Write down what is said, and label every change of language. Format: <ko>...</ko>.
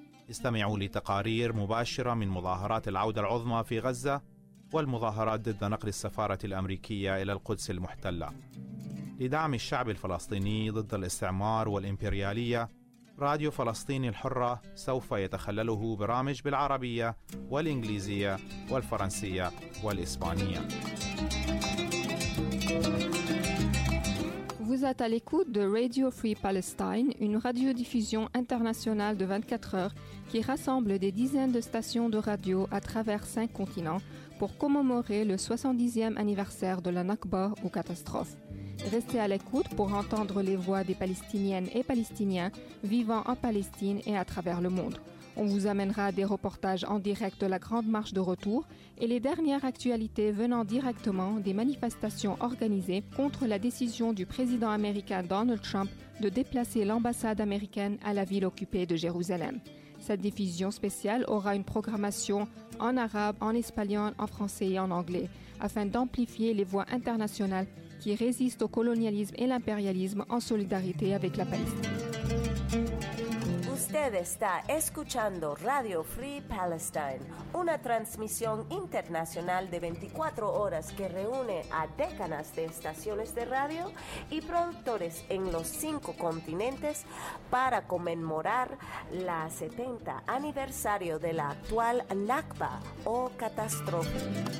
<ar>استمعوا لتقارير مباشرة من مظاهرات العودة العظمى في غزة والمظاهرات ضد نقل السفارة الأمريكية إلى القدس المحتلة. لدعم الشعب الفلسطيني ضد الاستعمار والإمبريالية، راديو فلسطين الحرة سوف يتخلله برامج بالعربية والإنجليزية والفرنسية والإسبانية.</ar> <fr>Vous êtes à l'écoute de Radio Free Palestine, une radio diffusion internationale de 24 heures qui rassemble des dizaines de stations de radio à travers 5 continents pour commémorer le 70e anniversaire de la Nakba ou catastrophe. Restez à l'écoute pour entendre les voix des Palestiniennes et Palestiniens vivant en Palestine et à travers le monde. On vous amènera des reportages en direct de la Grande Marche de Retour et les dernières actualités venant directement des manifestations organisées contre la décision du président américain Donald Trump de déplacer l'ambassade américaine à la ville occupée de Jérusalem. Sa diffusion spéciale aura une programmation en arabe, en espagnol, en français et en anglais, afin d'amplifier les voix internationales qui résistent au colonialisme et l'impérialisme en solidarité avec la Palestine.</fr> <es>Usted está escuchando Radio Free Palestine, una transmisión internacional de 24 horas que reúne a décadas de estaciones de radio y productores en los 5 continentes para conmemorar el 70 aniversario de la actual Nakba o catástrofe.</es>